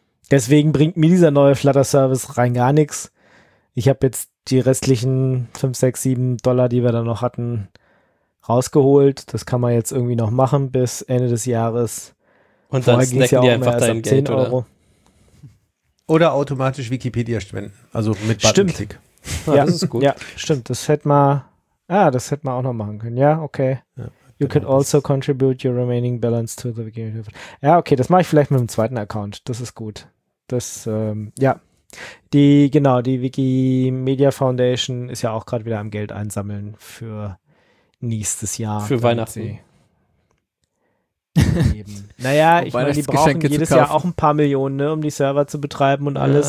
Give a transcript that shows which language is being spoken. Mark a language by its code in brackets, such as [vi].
[de] Deswegen bringt mir dieser neue Flutter-Service rein gar nichts. Ich habe jetzt die restlichen $5, $6, $7, die wir dann noch hatten, rausgeholt. Das kann man jetzt irgendwie noch machen bis Ende des Jahres. Und dann snacken ja die einfach dein Geld, oder? Oder automatisch Wikipedia spenden, also mit Button-Klick. Stimmt. Ja, das ist gut. Ja, stimmt, das hätte man auch noch machen können. Ja, okay. Ja, [en] you [de] genau, [en] could also contribute your remaining balance to the Wikipedia. [de] Ja, okay, das mache ich vielleicht mit dem zweiten Account. Das ist gut. Das, ja. Die Wikimedia Foundation ist ja auch gerade wieder am Geld einsammeln für nächstes Jahr. Für Weihnachten. Naja, ich meine, die brauchen jedes Jahr auch ein paar Millionen, ne, um die Server zu betreiben und alles.